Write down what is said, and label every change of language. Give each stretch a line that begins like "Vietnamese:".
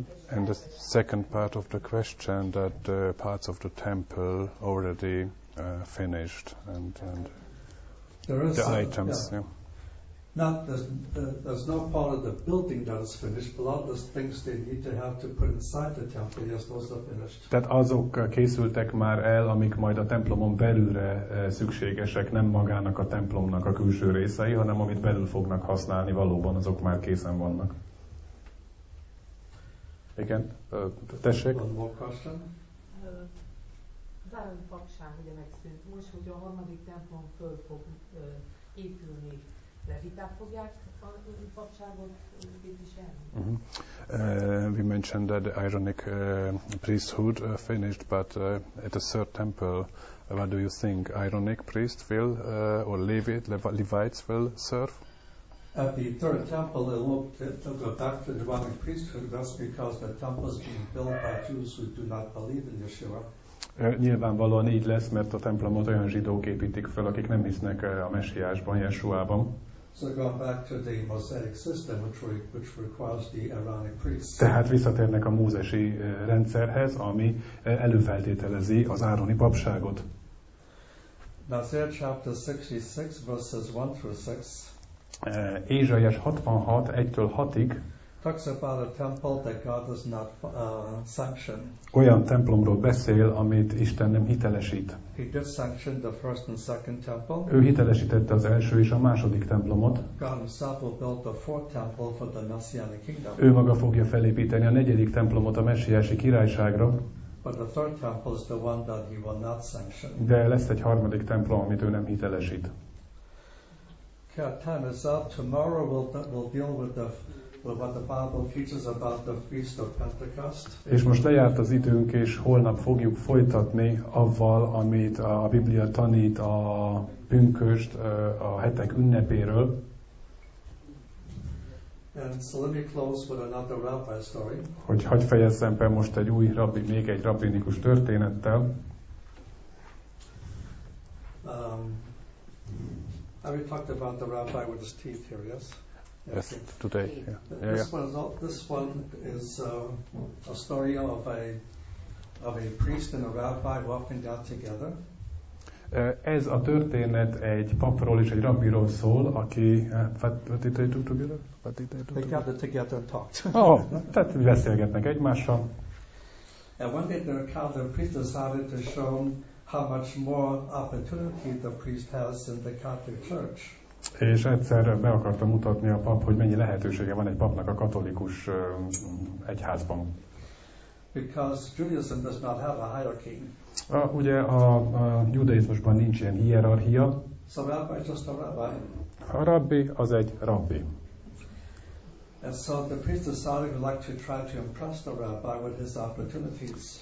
English: And the second part of the question, that the parts of the temple already finished and there is the some, items. Yeah. Yeah. Not there's no part of the building that is finished, but a lot of the things they need to have to put inside the temple, yes, those are finished.
Hungarian: Tehát azok készültek már el, amik majd a templomon belülre szükségesek, nem magának a templomnak a külső részei, hanem amit belül fognak használni, valóban azok már készen vannak. Igen, tessék.
English: One more question.
Hungarian: Az állami papság ugye megszűnt. Most, hogy a harmadik templom föl fog épülni, leviták fogják a papságot képviselni?
English: We mentioned that the Aaronic priesthood finished, but at a third temple, what do you think? Aaronic priest will, or Levites will serve? At the third temple, they'll go back to the Roman priesthood. That's because the temple is being built by Jews who do not believe in Yeshua.
Hungarian: Nyilvánvalóan így lesz, mert a templomot olyan zsidók építik fel, akik nem hisznek a Mesiásban, Yeshuában.
English: So go back to the Mosaic system, which requires the Aaronic priest.
Hungarian: Tehát visszatérnek a mózesi rendszerhez, ami előfeltételezi az Aaroni papságot.
English: Now there chapter 66 verses 1 through 6.
Hungarian: Ézsaiás 66, 1-től 6-ig
English: talks about a temple that God does not sanction.
Hungarian: Olyan templomról beszél, amit Isten nem hitelesít.
English: He did sanction the first and second temple.
Hungarian: Ő hitelesítette az első és a második templomot.
English: God himself will build the fourth temple for the Messianic kingdom.
Hungarian: Ő maga fogja felépíteni a negyedik templomot a messiási királyságra.
English: But the third temple is the one that he will not sanction.
Hungarian: De lesz egy harmadik templom, amit ő nem hitelesít.
English: Okay, time is up. Tomorrow we'll deal with the what the Bible teaches about the feast of Pentecost.
Hungarian: És most lejárt az időnk, és holnap fogjuk folytatni avval, amit a Biblia tanít a pünköst a hetek ünnepéről.
English: And so let me close with another rabbi story.
Hungarian: Hogy hagyj fejezzem be most egy új rabbi, még egy rabbinikus történettel.
English: Have we talked about the rabbi with his teeth here, yes? Yes, today. Yeah. This one is a story of a priest and a rabbi walking down together.
Hungarian: Ez a történet egy papról és egy rabbiról szól, aki
English: they gathered together and talked.
Hungarian: Tehát beszélgetnek egymással.
English: And one day the priest decided to show how much more opportunity the priest has in the Catholic Church.
Hungarian: És egyszer be akartam mutatni a pap, hogy mennyi lehetősége van egy papnak a katolikus egyházban.
English: Because Judaism does not have a hierarchy.
Hungarian: Ugye a judaizmusban nincs ilyen hierarchia.
English: So rabbi, just a rabbi.
Hungarian: A rabbi az egy rabbi.
English: And so the priest decided he'd like to try to impress the rabbi with his opportunities.